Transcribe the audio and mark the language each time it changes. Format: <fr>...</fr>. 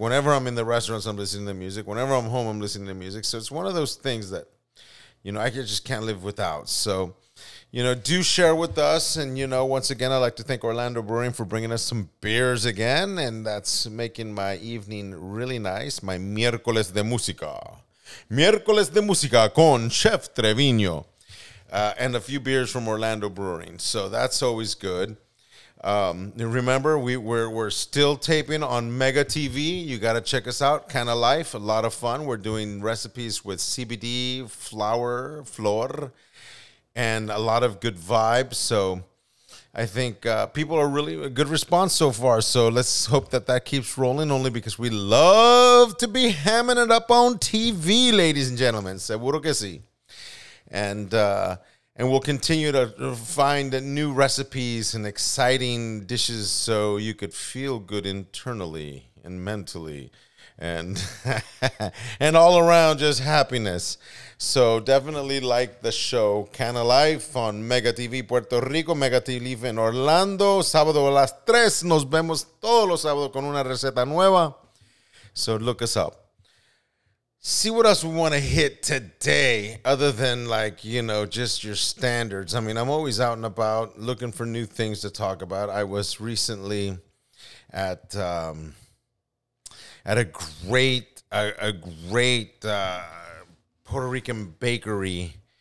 <en>Whenever I'm in the restaurants, I'm listening to music. Whenever I'm home, I'm listening to music. So it's one of those things that, you know, I just can't live without. So, you know, do share with us. And, you know, once again, I'd like to thank Orlando Brewing for bringing us some beers again. And that's making my evening really nice.</en> <es>My miércoles de música. Miércoles de música con Chef Treviño.</es> <en>And a few beers from Orlando Brewing. So that's always good. Remember, we're still taping on Mega TV. You got to check us out. Kind of Life, a lot of fun. We're doing recipes with CBD, flor, and a lot of good vibes. So I think people are really a good response so far. So let's hope that keeps rolling, only because we love to be hamming it up on TV, ladies and gentlemen.</en> <es>Seguro que sí.</es> <en>And we'll continue to find new recipes and exciting dishes so you could feel good internally and mentally and and all around just happiness. So definitely like the show Can of Life on Mega TV Puerto Rico, Mega TV in Orlando.</en> <es>Sábado a las 3. Nos vemos todos los sábados con una receta nueva.</es> <en>So look us up. See what else we want to hit today, other than, like, you know, just your standards. I mean, I'm always out and about looking for new things to talk about. I was recently at a great Puerto Rican bakery.</en>